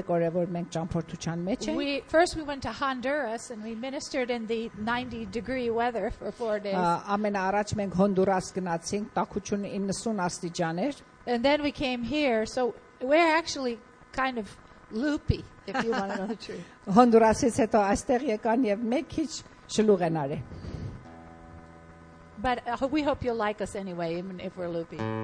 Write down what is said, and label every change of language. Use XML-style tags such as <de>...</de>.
<en>First we went to Honduras and we ministered in the 90 degree weather for 4 days. And then we came here, so we're actually kind of loopy, if you want to know the truth.</en> <hy>Հոնդուրասից հետո այստեղ եկան եւ մի քիչ շլուղ են արել.</hy> <en>But we hope you'll like us anyway, even if we're loopy.</en>